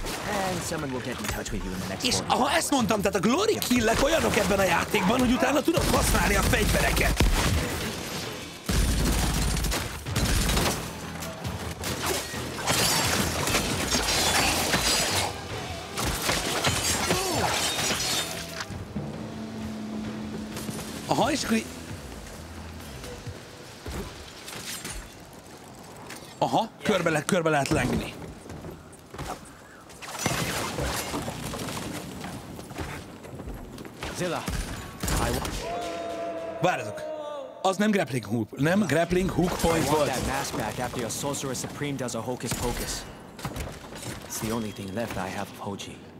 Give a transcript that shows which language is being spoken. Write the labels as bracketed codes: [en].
[en] And someone will get in touch with you in the next morning. [hu] És ahogy ezt mondtam, tehát a glory killek olyanok ebben a játékban, hogy utána tudod használni a fegyvereket. Aha, körbe lehet lengni. [en] Zilla, I want... [hu] Várjatok. Az nem grappling hook, nem grappling hook point volt. [en] I want that mask back after your Sorcerer Supreme does a hocus pocus. It's the only thing left I have of Hoji.